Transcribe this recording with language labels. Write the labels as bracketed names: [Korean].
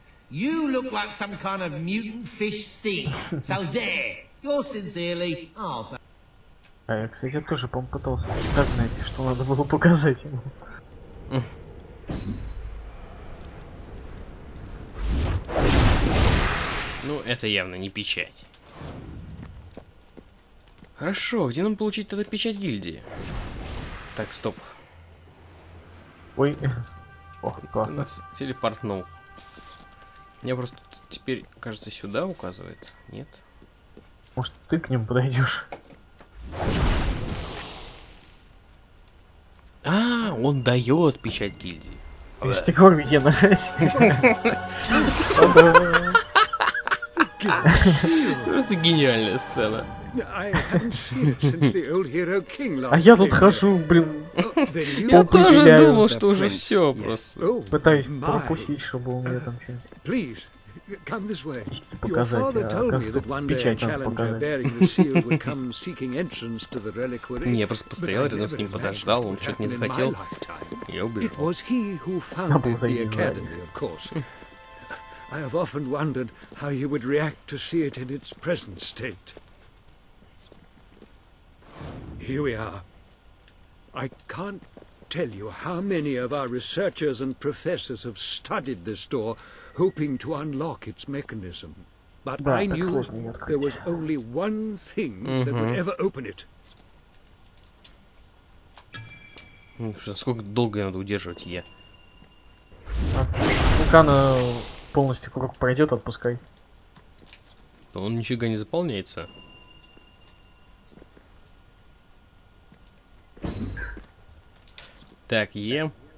[English] You look like some kind of mutant fish thief. So there. You're sincerely Arthur. [Russian] А я, кстати, я тоже, по-моему, пытался так найти, что надо было показать ему. Ну, это явно не печать. Хорошо, где нам получить тогда печать гильдии? Так, стоп. Ой. О, классно. Нас телепортнул. Мне просто теперь, кажется, сюда указывает. Нет? Может, ты к ним подойдешь? А, он дает печать гильдии. Ты же тихо в еде нажать. Просто гениальная сцена. А я тут хожу, блин. Я тоже думал, что уже все просто. Пытаюсь пропустить, чтобы у меня там что-нибудь. [English] Come this way. Your father told me that one day a challenger bearing the seal would come seeking entrance to the reliquary. [Russian] Не, я просто постоял рядом с ним, подождал, он что-то не захотел. Я убежал. [English] It was he who founded the academy, of course. I have often wondered how he would react to see it in its present state. Here we are. I can't tell you how many of our researchers and professors have studied this door. Hoping to unlock its mechanism, but [Russian] да, [English] I knew there was only one thing that would ever open it. [Russian] Сколько долго я надо удерживать Е? Пока она полностью круг пройдет, отпускай. Да он нифига не заполняется. Так, Е.